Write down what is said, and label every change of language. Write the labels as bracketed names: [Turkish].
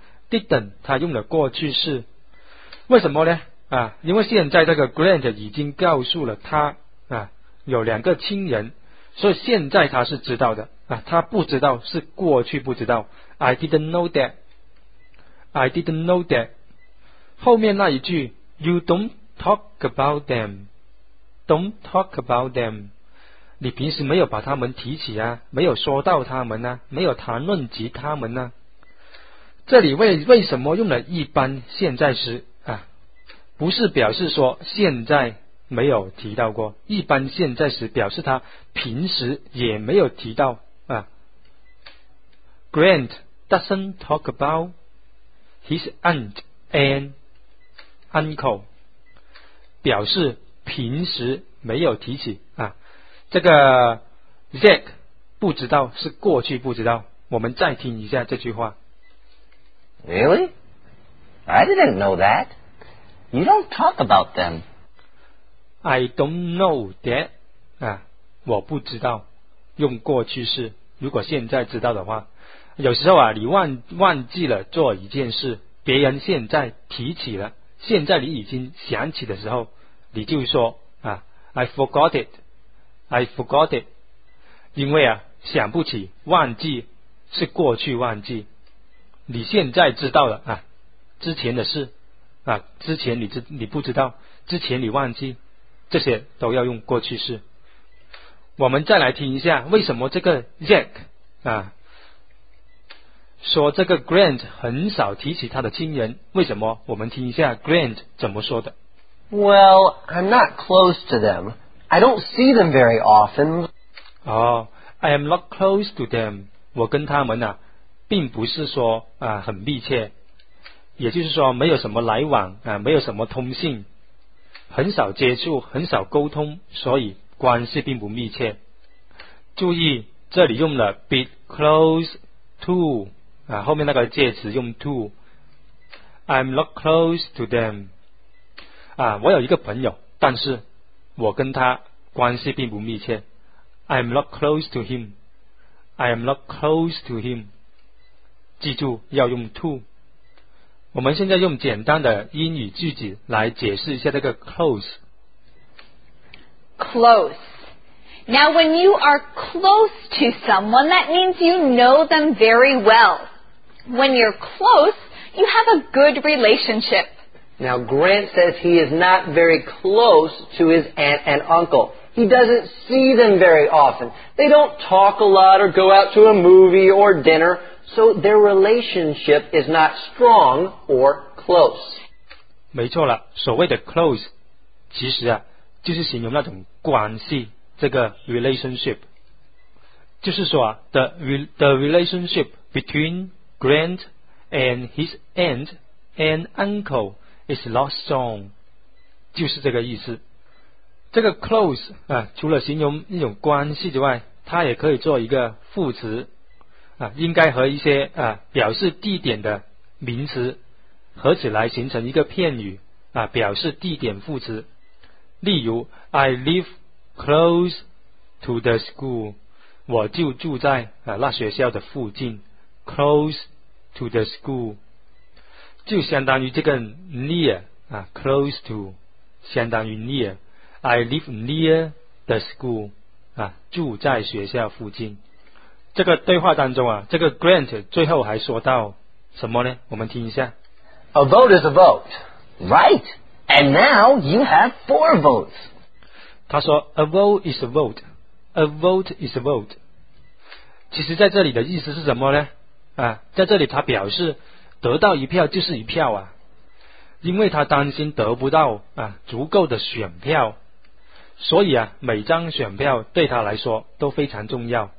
[Chinese] Didn't, 他用了过去式。为什么呢？啊，因为现在这个 Grant 已经告诉了他啊，有两个亲人，所以现在他是知道的。啊，他不知道是过去不知道。 [English] I didn't know that. I didn't know that. [Chinese] 后面那一句 [English] You don't talk about them. Don't talk about them. [Chinese] 你平时没有把他们提起啊，没有说到他们啊，没有谈论及他们啊。这里 为什么用了一般现在时啊？不是表示说现在没有提到过，一般现在时表示他平时也没有提到啊。 [English] Grant doesn't talk about his aunt and uncle， [Chinese] 表示平时没有提起啊。这个 Zach 不知道是过去不知道，我们再听一下这句话。 [English] Really? I didn't know that. You don't talk about them. I don't know that. [Chinese] 啊，我不知道。用过去式，如果现在知道的话，有时候啊，你忘记了做一件事，别人现在提起了，现在你已经想起的时候，你就说啊 ， [English] I forgot it. I forgot it. [Chinese] 因为啊，想不起，忘记是过去忘记。你现在知道了啊，之前的事啊，之前你不知道，之前你忘记，这些都要用过去式。我们再来听一下，为什么这个 Jack 啊说这个 Grant 很少提起他的亲人？为什么？我们听一下 Grant 怎么说的。 [English] Well, I'm not close to them. I don't see them very often. I am not close to them. [Chinese] 我跟他们啊。并不是说啊很密切，也就是说没有什么来往啊，没有什么通信，很少接触，很少沟通，所以关系并不密切。注意这里用了 be close to 啊，后面那个介词用 to。 [English] I'm not close to them [Chinese] 啊，我有一个朋友，但是我跟他关系并不密切。 [English] I'm not close to him. I'm not close to him. [Chinese] 记住要用 to。我们现在用简单的英语句子来解释一下这个 close。 [English] Close. Now when you are close to someone, that means you know them very well. When you're close, you have a good relationship. Now Grant says he is not very close to his aunt and uncle. He doesn't see them very often. They don't talk a lot or go out to a movie or dinner. So their relationship is not strong or close. [Chinese] 没错了，所谓的 close 其实啊就是形容那种关系，这个 relationship 就是说啊 [English] the relationship between Grant and his aunt and uncle is not strong， [Chinese] 就是这个意思。这个 close 啊，除了形容一种关系之外，它也可以做一个副词啊，应该和一些啊表示地点的名词合起来形成一个片语啊，表示地点副词。例如 ， [English] I live close to the school， [Chinese] 我就住在啊那学校的附近 ，close to the school， 就相当于这个 near 啊 ，close to 相当于 near。 [English] I live near the school， [Chinese] 啊，住在学校附近。这个对话当中啊，这个 Grant 最后还说到什么呢？我们听一下。 [English] A vote is a vote. Right. And now you have four votes. [Chinese] 他说 [English] A vote is a vote. A vote is a vote. [Chinese] 其实在这里的意思是什么呢？啊，在这里他表示得到一票就是一票啊，因为他担心得不到啊足够的选票，所以啊每张选票对他来说都非常重要。